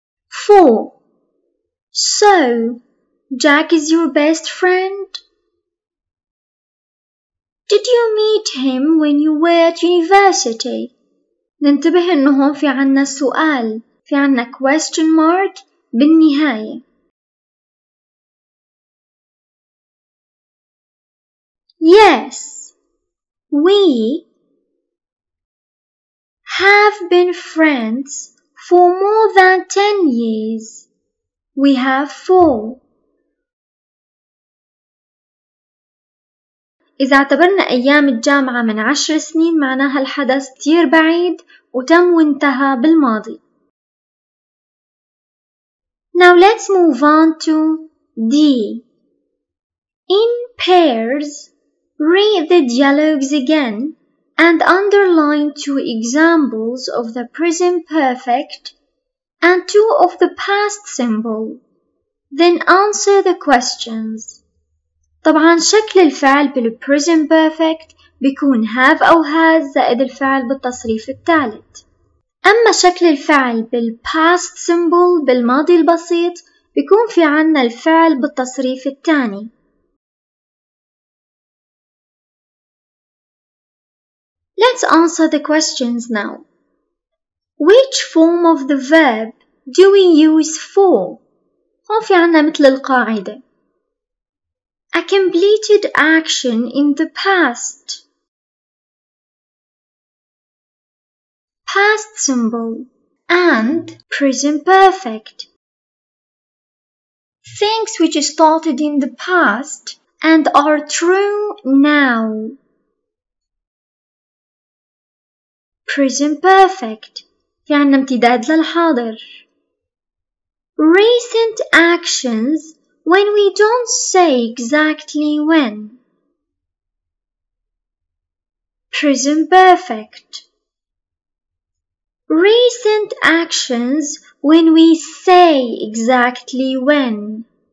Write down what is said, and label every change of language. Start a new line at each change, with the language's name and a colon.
English: Four. So, Jack is your best friend? Did you meet him when you were at university?
Arabic: ننتبه إنه هون في عنا سؤال، في عنا question mark بالنهاية.
English: Yes, we have been friends for more than 10 years. We have 4.
Arabic: إذا اعتبرنا أيام الجامعة من 10 سنين، معناها الحدث كتير بعيد وتم وانتهى بالماضي.
English: Now let's move on to D. In pairs, read the dialogues again and underline 2 examples of the present perfect and 2 of the past symbol. Then answer the questions.
Arabic: طبعا شكل الفعل بالpresent perfect بيكون have أو has زائد الفعل بالتصريف الثالث. أما شكل الفعل بالpast symbol بالماضي البسيط بيكون في عنا الفعل بالتصريف الثاني.
English: Let's answer the questions now. Which form of the verb do we use for?
Arabic: هون في عنا مثل القاعدة.
English: A completed action in the past. Past symbol and present perfect. Things which started in the past and are true now.
Arabic: Present perfect في عنا امتداد للحاضر.
English: Recent actions when we don't say exactly when. Present perfect. Recent actions when we say exactly when.